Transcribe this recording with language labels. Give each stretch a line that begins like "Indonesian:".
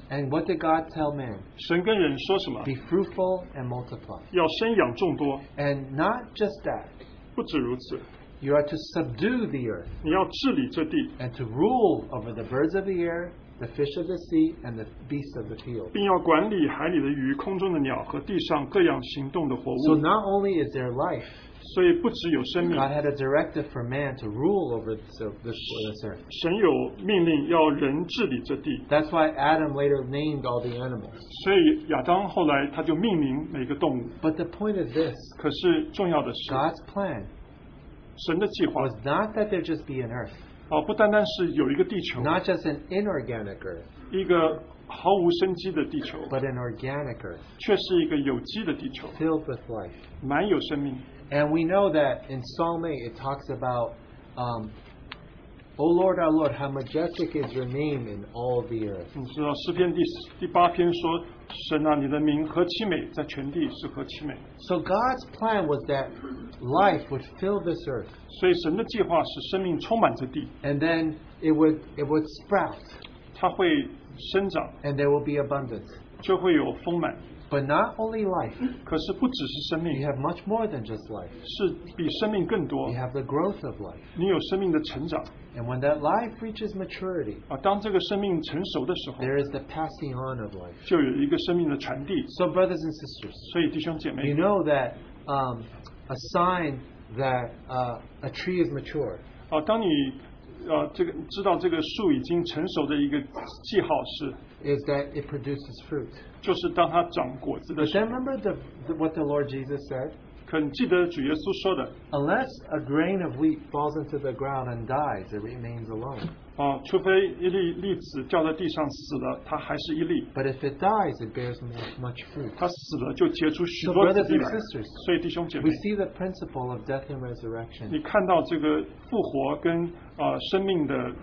English: and what did God tell man?
Chinese: 神跟人说什么?
English: Be fruitful and multiply.
Chinese: 要生养众多,
English: and not just that.
Chinese: 不止如此,
English: you are to subdue the earth.
Chinese: 你要治理这地,
English: and to rule over the birds of the air, the fish of the sea, and the beasts of the field.
Chinese: 并要管理海里的鱼, 空中的鸟, 和地上各样行动的活物。
English: So not only is there life,
Chinese: 所以不只有生命,
English: God had a directive for man to rule over this earth.
Chinese: 神有命令要人治理这地。
English: That's why Adam later named all the animals.
Chinese: 所以亚当后来他就命名每个动物。
English: But the point of this,
Chinese: 可是重要的是,
English: God's plan,
Chinese: 神的计划,
English: was not that there just be an earth,
Chinese: 哦, 不单单是有一个地球,
English: not just an inorganic earth,
Chinese: 一个毫无生机的地球,
English: but an organic earth,
Chinese: 却是一个有机的地球,
English: filled with life,
Chinese: 满有生命。
English: And we know that in Psalm 8 it talks about, O Lord, our Lord, how majestic is your name in all the earth.
Chinese: 你知道诗篇第八篇说, 神啊, 你的名何其美, 在全地是何其美。
English: So God's plan was that life would fill this earth.
Chinese: 所以神的计划是生命充满这地。
English: And then it would sprout.
Chinese: 它会生长,
English: and there will be abundance.
Chinese: 就会有丰满。
English: But not only life.
Chinese: 可是不只是生命,
English: you have much more than just life.
Chinese: 是比生命更多,
English: you have the growth of life.
Chinese: 你有生命的成长,
English: and when that life reaches maturity,
Chinese: 啊, 当这个生命成熟的时候,
English: there is the passing on of life.
Chinese: 就有一个生命的传递。
English: So brothers and sisters,
Chinese: 所以弟兄姐妹,
English: you know that a sign that a tree is mature,
Chinese: 啊, 当你, 这个知道这个树已经成熟的一个记号是,
English: is that it produces fruit.
Chinese: 就是当它长果子的时候,
English: but then remember what the Lord Jesus said?
Chinese: 可你记得主耶稣说的,
English: unless a grain of wheat falls into the ground and dies, it remains alone.
Chinese: 啊, 除非一粒粒子掉在地上死了, 它还是一粒,
English: but if it dies, it bears much fruit.
Chinese: 它死了就结出许多子粒来。
English: So brothers and sisters,
Chinese: 所以弟兄姐妹,
English: we see the principle of death and resurrection.
Chinese: 你看到这个复活跟, 生命的,